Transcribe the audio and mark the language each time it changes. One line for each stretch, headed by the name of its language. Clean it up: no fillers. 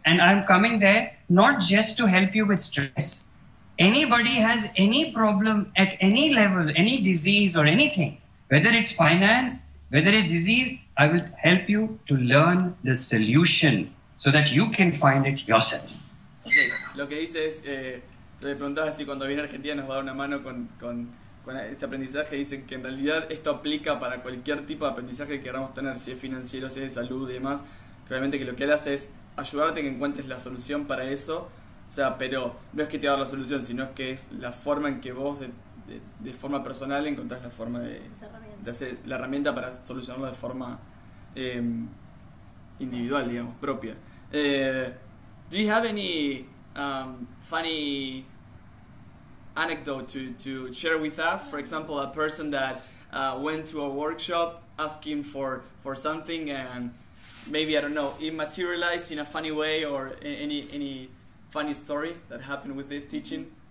English: And I'm coming there not just to help you with stress. Anybody has any problem at any level, any disease or anything, whether it's finance, whether it's disease, I will help you to learn the solution so that you can find it yourself.
Spanish: Okay, lo que dice es, le preguntaba si cuando viene a Argentina nos va a dar una mano con Bueno, este aprendizaje dice que en realidad esto aplica para cualquier tipo de aprendizaje que queramos tener, si es financiero, si es de salud y demás, que obviamente que lo que él hace es ayudarte a que encuentres la solución para eso, o sea, pero no es que te va a dar la solución, sino es que es la forma en que vos de forma personal encontrás la forma de hacer la herramienta para solucionarlo de forma individual, digamos, propia.
English: Do you have any funny anecdote to share with us? For example, a person that went to a workshop asking for something and maybe, I don't know, it materialized in a funny way, or any funny story that happened with this teaching?